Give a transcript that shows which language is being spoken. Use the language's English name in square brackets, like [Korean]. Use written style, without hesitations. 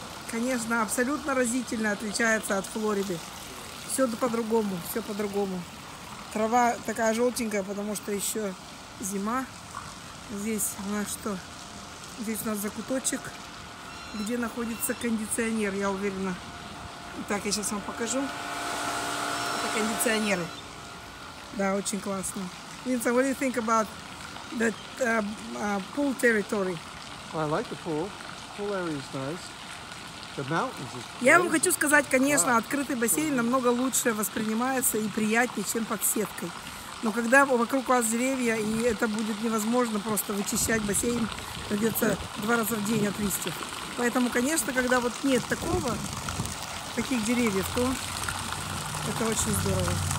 [Russian] Конечно, абсолютно разительно отличается от Флориды. Все по-другому, все по-другому. Трава такая желтенькая, потому что еще зима. Здесь у нас что? Здесь у нас закуточек, где находится кондиционер, я уверена. Итак, я сейчас вам покажу. Это кондиционеры. Да, очень классно. [English] Винса, what do you think about that pool territory? I like the pool. Pool area is nice. The mountains is. [Russian] Я вам хочу сказать, конечно, открытый бассейн намного лучше воспринимается и приятнее, чем под сеткой. Но когда вокруг у вас деревья, и это будет невозможно просто вычищать бассейн, придется два раза в день от листьев. Поэтому, конечно, когда вот нет такого, таких деревьев, то это очень здорово.